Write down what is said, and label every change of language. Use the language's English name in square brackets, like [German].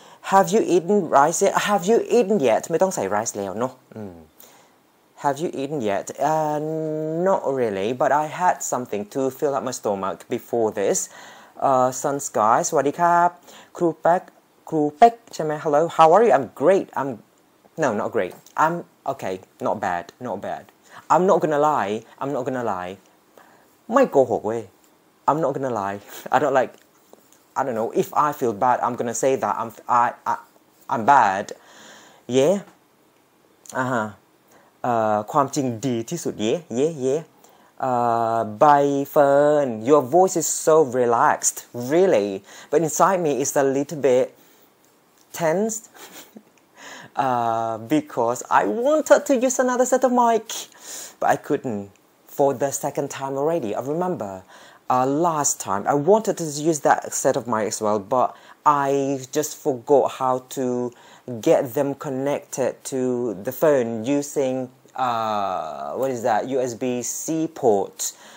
[English] have you eaten rice yet have you eaten yet [Thai] ไม่ต้องใส่ rice แล้วเนาะ [English] have you eaten yet not really but I had something to fill up my stomach before this sun sky [Thai] สวัสดีครับครูเป็กใช่ไหม [English] hello how are you I'm great I'm no not great I'm okay not bad I'm not gonna lie. I'm not gonna lie. [Thai] ไม่โกหกเว้ย [English] I'm not gonna lie. I don't like. I don't know. If I feel bad, I'm gonna say that I'm bad. Yeah. [Thai] ความจริงดีที่สุด [English] Yeah. By Fern, your voice is so relaxed, really. But inside me, it's a little bit tense. because I wanted to use another set of mic. But I couldn't for the second time already. I remember last time I wanted to use that set of mic as well, but I just forgot how to get them connected to the phone using, what is that, USB-C port.